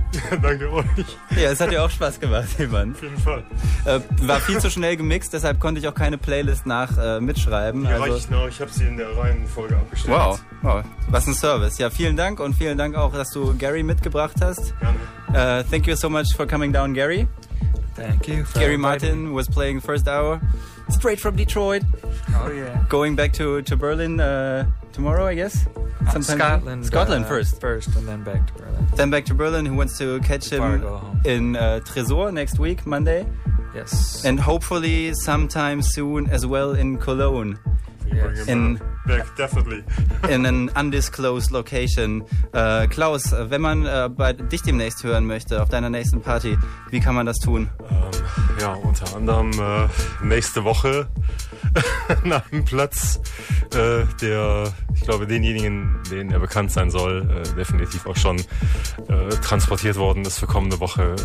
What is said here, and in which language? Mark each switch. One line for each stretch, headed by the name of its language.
German: Ja, danke euch. Ja, es hat ja auch Spaß gemacht, Simon. Auf jeden Fall. War viel zu schnell gemixt, deshalb konnte ich auch keine Playlist nach mitschreiben. Ja, also, ich habe sie in der Reihenfolge abgestellt. Wow, was ein Service. Ja, vielen Dank und vielen Dank auch, dass du Gary mitgebracht hast. Gerne.
English: Thank you so much for coming down, Gary. Thank you. Gary Martin was playing first hour straight from Detroit. Oh yeah. Going back to Berlin tomorrow, I guess. Scotland first and then back to Berlin. Then back to Berlin. Who wants to catch him in Tresor next week, Monday? Yes. And hopefully sometime soon as well in Cologne. Definitely. In an undisclosed location.
German: Klaus, wenn man bei dich demnächst hören möchte, auf deiner nächsten Party, wie kann man das tun? Ja, unter anderem nächste Woche nach einem Platz, der, ich glaube, denjenigen, denen er bekannt sein soll, definitiv auch schon transportiert worden ist für kommende Woche.